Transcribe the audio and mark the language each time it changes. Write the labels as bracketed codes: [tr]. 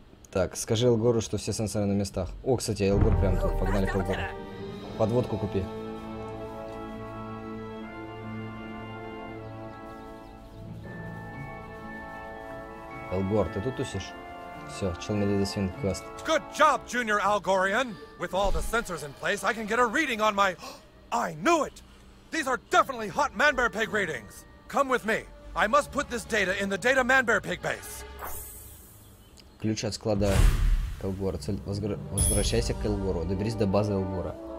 [ru] Так, скажи Элгору, что все сенсоры на местах. О, кстати, Элгор прям тут. Погнали к Элгору. Подводку купи. Элгор, ты тут тусишь? Все, челмедедесин квест. [en] Good job, Junior Algorian! With all the sensors in place, I can get a reading on my... I knew it! These are definitely hot man-bear pig readings! Come with me! I must put this data in the data man-bear pig base. [ru] Ключ от склада Элгора. Цель... Возвращайся к Элгору. Доберись до базы Элгора.